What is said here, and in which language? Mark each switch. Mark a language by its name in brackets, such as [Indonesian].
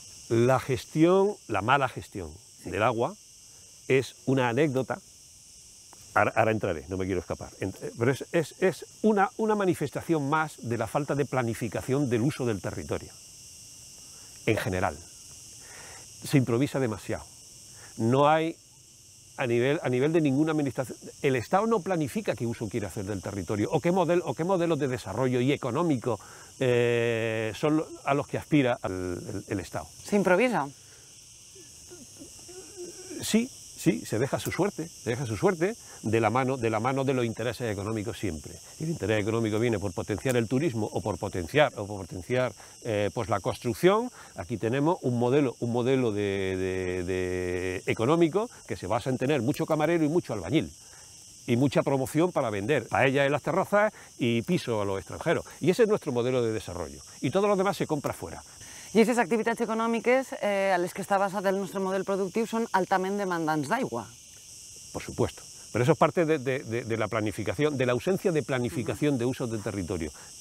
[Catalan] La gestió, la mala gestió sí. De l'aigua és una anècdota, ara entraré, [Spanish] no me quiero escapar, [Catalan] però és una manifestació més de la falta de planificació de l'ús del territori en general. [Spanish] Se improvisa demasiado. No hay a nivel de ninguna administración, el Estado no planifica qué uso quiere hacer del territorio o qué modelos de desarrollo y económico son a los que aspira el Estado. ¿Se improvisa? Sí, se deja su suerte de la mano de los intereses económicos siempre. El interés económico viene por potenciar el turismo o por potenciar la construcción. Aquí tenemos un modelo de económico que se basa en tener mucho camarero y mucho albañil y mucha promoción para vender paella en las terrazas y piso a los extranjeros. Y ese es nuestro modelo de desarrollo. Y todo lo demás se compra fuera. [Catalan] I aquestes activitats econòmiques a les que està basat el nostre model productiu són altament demandants d'aigua. [Spanish] Por supuesto. Pero eso es parte de la planificación, de la ausencia de planificación de usos del territorio.